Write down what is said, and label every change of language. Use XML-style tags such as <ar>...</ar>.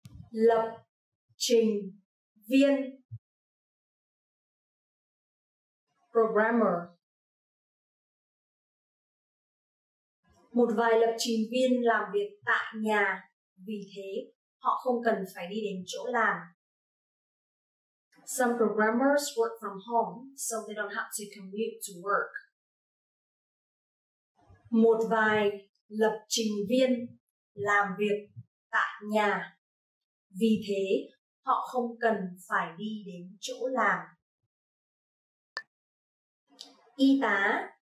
<vi>Lập trình viên.</vi> <en>Programmer.</en> <vi>Một vài lập trình viên làm việc tại nhà, vì thế họ không cần phải đi đến chỗ làm.</vi> <en>Some programmers work from home, so they don't have to commute to work.</en> <vi>Một vài lập trình viên làm việc tại nhà, vì thế họ không cần phải đi đến chỗ làm. Y tá.</vi>